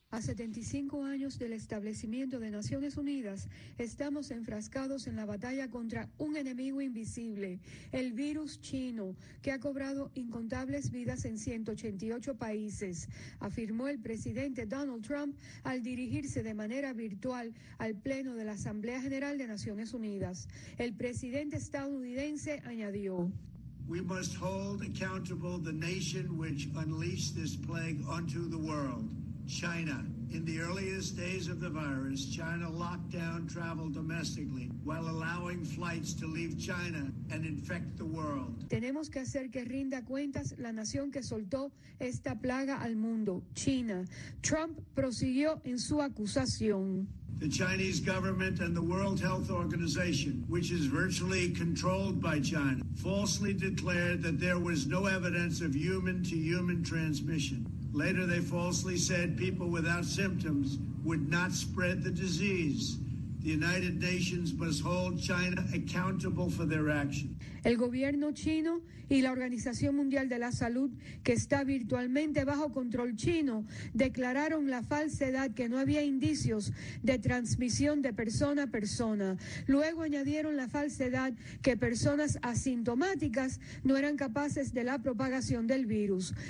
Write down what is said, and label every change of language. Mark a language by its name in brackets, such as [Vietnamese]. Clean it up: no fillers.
[Spanish] A 75 años del establecimiento de Naciones Unidas, estamos enfrascados en la batalla contra un enemigo invisible, el virus chino, que ha cobrado incontables vidas en 188 países, afirmó el presidente Donald Trump al dirigirse de manera virtual al Pleno de la Asamblea General de Naciones Unidas. El presidente estadounidense añadió: [English] We must hold accountable the nation which unleashed this plague onto the world. China. In the earliest days of the virus, China locked down travel domestically while allowing flights to leave China and infect the world. [Spanish] Tenemos que hacer que rinda cuentas la nación que soltó esta plaga al mundo, China. Trump prosiguió en su acusación. [English] The Chinese government and the World Health Organization, which is virtually controlled by China, falsely declared that there was no evidence of human-to-human transmission. Later, they falsely said people without symptoms would not spread the disease. The United Nations must hold China accountable for their action. [Spanish] El gobierno chino y la Organización Mundial de la Salud, que está virtualmente bajo control chino, declararon la falsedad que no había indicios de transmisión de persona a persona. Luego añadieron la falsedad que personas asintomáticas no eran capaces de la propagación del virus.